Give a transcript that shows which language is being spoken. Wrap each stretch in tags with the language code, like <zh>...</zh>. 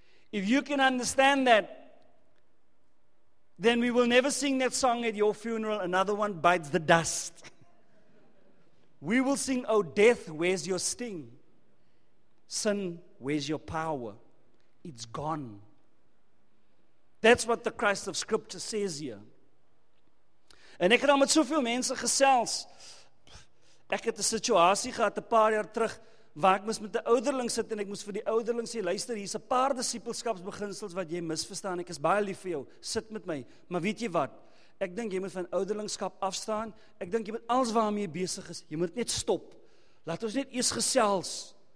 <en>If you can understand that, then we will never sing that song at your funeral, another one bites the dust. We will sing, oh death, where's your sting? Sin, where's your power? It's gone. That's what the Christ of Scripture says here.</en> <af>En ek het al met soveel mense gesels. Ek het 'n situasie gehad 'n paar jaar terug, waar ek moes met 'n ouderling sit en ek moes vir die ouderling sê, luister, hier is 'n paar disipelskapsbeginsels wat jy misverstaan, ek is baie lief vir jou, sit met my, maar weet jy wat, ek dink jy moet van ouderlingskap afstaan, ek dink jy moet alles waarmee jy besig is, jy moet net stop, laat ons net eers gesels,</af>